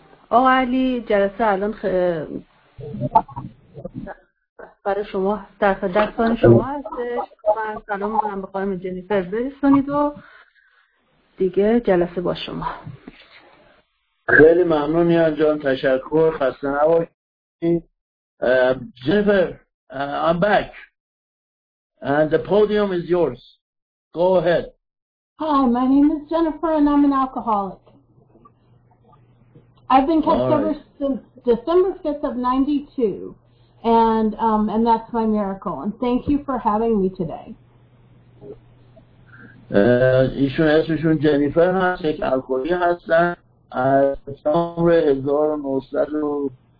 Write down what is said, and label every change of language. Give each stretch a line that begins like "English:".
Persian: آقا علی، جلسه الان برای شما در خدمتتون شما هستش. من سلام می‌کنم به خانم جنیفر برسونید و دیگه جلسه با شما. خیلی ممنون یان جان، تشکر، خسته نباشید.
English: Jennifer, I'm back and the podium is yours. Go ahead. Hi, my name is Jennifer and I'm an alcoholic. I've been kept sober since December 5th of 92 and that's my miracle. And thank you for having me today.
Persian: ایشون اسمشون جنیفر هست، یک الکلی هستن از سامر 1900 و...